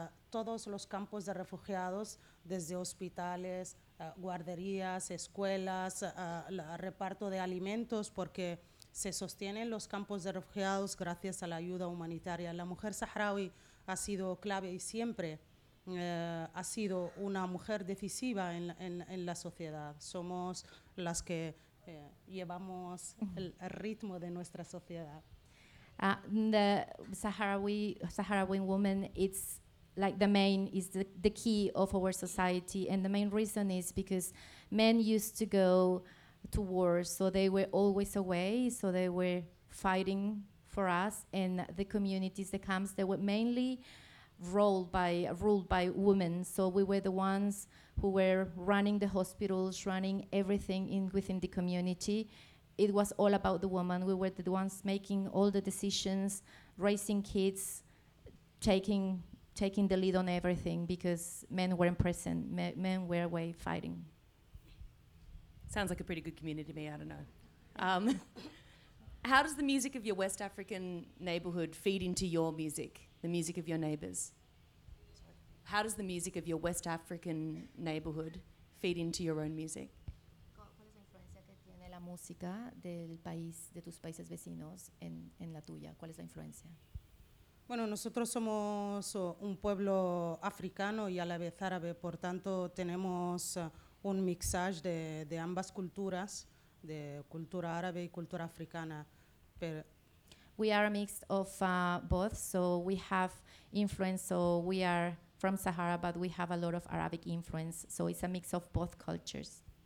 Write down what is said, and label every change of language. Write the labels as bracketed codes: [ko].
[es] todos los campos de refugiados, desde hospitales, guarderías, escuelas, reparto de alimentos, porque se sostienen los campos de refugiados gracias a la ayuda humanitaria. La mujer saharaui ha sido clave y siempre ha sido una mujer decisiva en la sociedad. Somos las que llevamos el ritmo de nuestra sociedad. [en] The Sahrawi woman, it's like the main, is the key of our society. And the main reason is because men used to go to war, so they were always away, so they were fighting for us, and the communities, the camps, they were mainly ruled by women. So we were the ones who were running the hospitals, running everything in within the community. It was all about the woman. We were the ones making all the decisions, raising kids, taking the lead on everything, because men were in prison. Men were away fighting. Sounds like a pretty good community to me, I don't know. How does the music of your West African neighborhood feed into your music, the music of your neighbors? How does the music of your West African neighborhood feed into your own music? [es] ¿Cuál es la influencia que tiene la música del país, de tus países vecinos, en la tuya? ¿Cuál es la influencia? Bueno, nosotros somos un pueblo africano y a la vez árabe, por tanto tenemos un mixage de ambas culturas, de cultura árabe y cultura africana. Pero [en] we are a mix of both, so we have influence, so we are from Sahara, but we have a lot of Arabic influence, so it's a mix of both cultures.